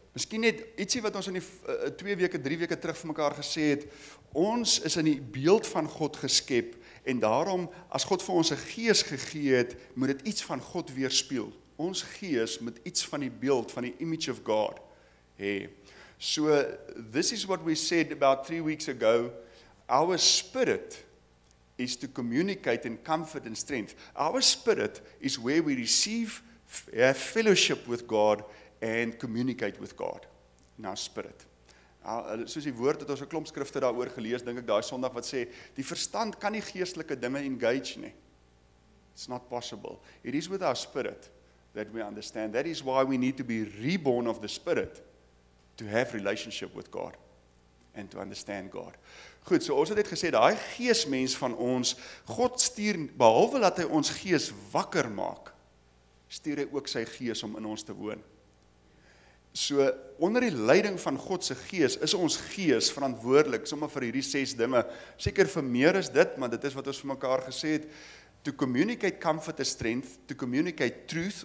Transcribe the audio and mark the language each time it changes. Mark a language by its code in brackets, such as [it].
[af] Miskien net ietsie wat ons in die 2 weke, 3 weke terug vir mekaar gesê het, ons is in die beeld van God geskep, en daarom, as God vir ons 'n gees gegee het, moet dit iets van God weerspieël. Ons gees met iets van die beeld, van die [en] image of God, [af] hê. [en] So, this is what we said about 3 weeks ago. Our spirit is to communicate in comfort and strength. Our spirit is where we receive fellowship with God and communicate with God. In our spirit. [af] Soos die woord het ons 'n klomp skrifte daaroor gelees, dink ek daai Sondag wat sê, die verstand kan nie geestelike dinge engage nie. [en] It's not possible. It is with our spirit that we understand. That is why we need to be reborn of the spirit to have relationship with God and to understand God. [af] Goed, so ons het net gesê, daai geesmens van ons, God stuur, behalwe dat hy ons gees wakker maak, stuur hy ook sy gees om in ons te woon. So, onder die leiding van God se gees, is ons gees verantwoordelik, sommer vir hierdie 6 dinge, seker vir meer is dit, maar dit is wat ons vir mekaar gesê het, [en] to communicate comfort and strength, to communicate truth.